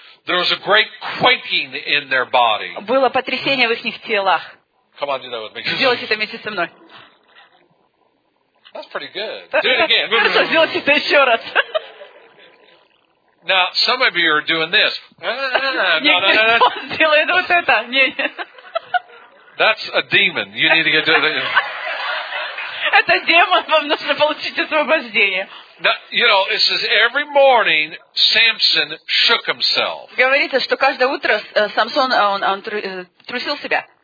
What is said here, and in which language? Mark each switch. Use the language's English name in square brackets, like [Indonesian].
[English] There was a great quaking in their body. [Russian] Было потрясение в их телах. [English] Come on, do that with me. [Russian] Сделайте это вместе со мной. [English] That's pretty good. Do it again. [Russian] Хорошо, сделайте это еще раз. [English] Now, some of you are doing this. [Russian] Сделает вот это. [English] That's a demon. You need to get to it. [Russian] Это демон. Вам нужно получить освобождение. [English] Now, you know, it says every morning Samson shook himself. [Russian] Говорится, что каждое утро Самсон он трусил себя.